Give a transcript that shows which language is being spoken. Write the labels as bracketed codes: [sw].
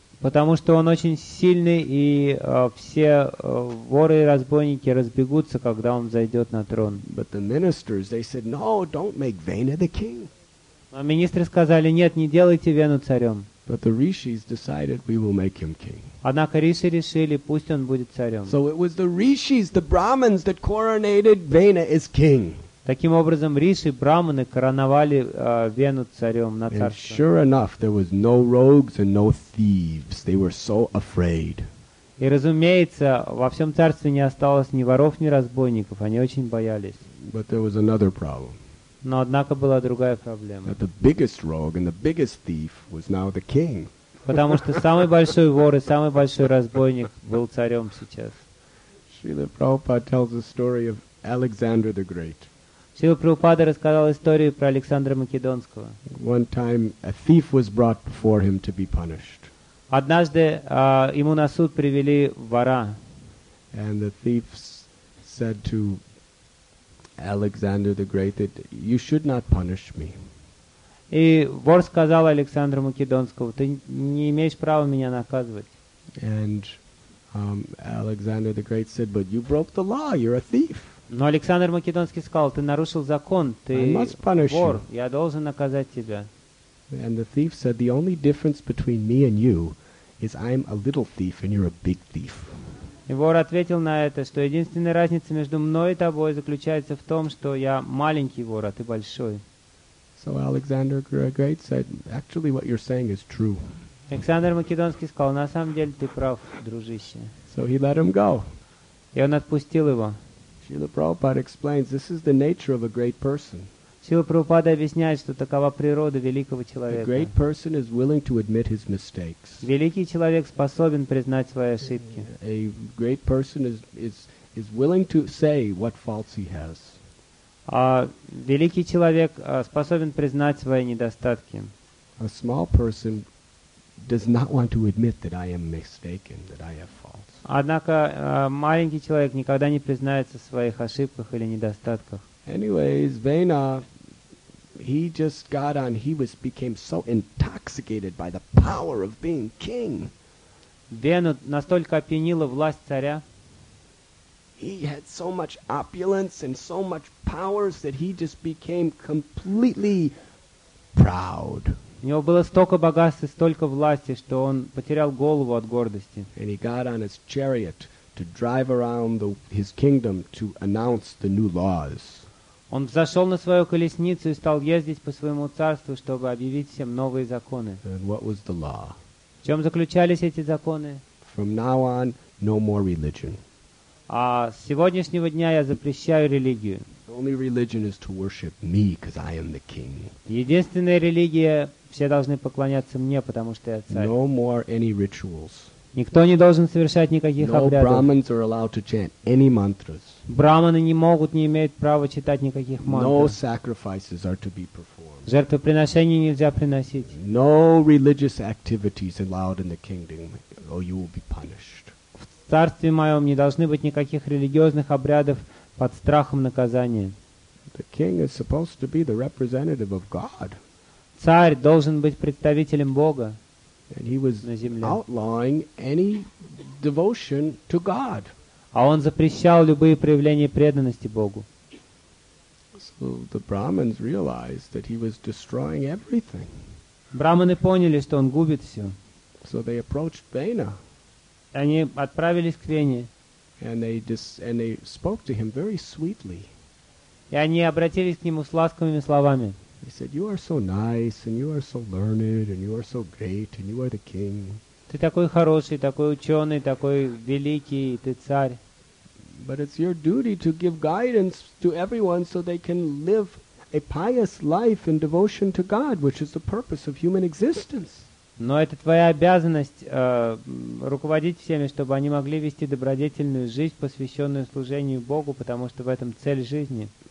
[ru] Потому что он очень сильный, и все воры и разбойники разбегутся, когда он зайдет на трон. [en] But the ministers, they said, no, don't make Vena the king. [ru] Но министры сказали, нет, не делайте Вену царем. [en] But the rishis decided we will make him king. [ru] Однако риши решили, пусть он будет царем. [en] So it was the rishis, the brahmins, that coronated Vena as king. [ru] Таким образом, риши, брахманы короновали Вену царем на царство. [en] And sure enough, there was no rogues and no thieves. They were so afraid. [ru] И разумеется, во всем царстве не осталось ни воров, ни разбойников. Они очень боялись. [en] But there was another problem. [ru] Но однако была другая проблема. [en] The biggest rogue and the biggest thief was now the king. [ru] Потому что самый большой вор и самый большой разбойник был царем сейчас. [en] Шрила Прабхупада tells the story of Alexander the Great. [ru] Шрила Прабхупада рассказал историю про Александра Македонского. [en] One time a thief was brought before him to be punished. [ru] Однажды ему на суд привели вора. [en] And the thief said to Alexander the Great, that you should not punish me. [ru] И вор сказал Александру Македонскому, ты не имеешь права меня наказывать. [en] And Alexander the Great said, but you broke the law, you're a thief. [ru] Но Александр Македонский сказал, ты нарушил закон, ты вор, я должен наказать тебя. [en] And the thief said, the only difference between me and you is I'm a little thief and you're a big thief. [ru] И вор ответил на это, что единственная разница между мной и тобой заключается в том, что я маленький вор, а ты большой. [en] So Alexander Great said, actually what you're saying is true. [ru] Александр Македонский сказал, на самом деле ты прав, дружище. [en] So he let him go. [ru] И он отпустил его. [en] Srila Prabhupada explains, this is the nature of a great person. [ru] Srila Prabhupada объясняет, что такова природа великого человека. [en] A great person is willing to admit his mistakes. [ru] Великий человек способен признать свои ошибки. [en] A great person is willing to say what faults he has. [ru] А великий человек способен признать свои недостатки. [en] A small person does not want to admit that I am mistaken, that I have faults. [ru] Однако маленький человек никогда не признается в своих ошибках или недостатках. [en] Anyways, Vena, he just got on, he was became so intoxicated by the power of being king. [ru] Вену настолько опьянила власть царя. [en] He had so much opulence and so much powers that he just became completely proud. [ru] У него было столько богатств и столько власти, что он потерял голову от гордости. [en] And he got on his chariot to drive around his kingdom to announce the new laws. [ru] Он взошел на свою колесницу и стал ездить по своему царству, чтобы объявить всем новые законы. [en] And what was the law? [ru] В чем заключались эти законы? [en] From now on, no more religion. [ru] А с сегодняшнего дня я запрещаю религию. [en] The only religion is to worship me, because I am the king. [ru] Единственная религия, все должны поклоняться мне, потому что я царь. [en] No more any rituals. [ru] Никто не должен совершать никаких [en] no [ru] обрядов. [en] Brahmins are allowed to chant any mantras. [ru] Браманы не могут, не имеют права читать никаких мантр. [en] No sacrifices are to be performed. [ru] Жертвоприношения нельзя приносить. [en] No religious activities allowed in the kingdom, or you will be punished. [ru] В царстве моем не должны быть никаких религиозных обрядов под страхом наказания. [en] The king is supposed to be the representative of God. [ru] Царь должен быть представителем Бога [en] And he was [ru] на земле. [en] Outlawing any devotion to God. [ru] А он запрещал любые проявления преданности Богу. [en] So the Brahmins realized that he was destroying everything. [ru] Браманы поняли, что он губит все. [en] So they approached Vena. [ru] Они отправились к Вене. [en] And they spoke to him very sweetly. [ru] И они обратились к нему с ласковыми словами. [en] They said, "You are so nice, and you are so learned, and you are so great, and you are the king." [ru] Ты такой хороший, такой ученый, такой великий, ты царь. [en] But it's your duty to give guidance to everyone so they can live a pious life in devotion to God, which is the purpose of human existence. [ru] Но это твоя обязанность руководить всеми, чтобы они могли вести добродетельную жизнь, посвященную служению Богу, потому что в этом цель жизни.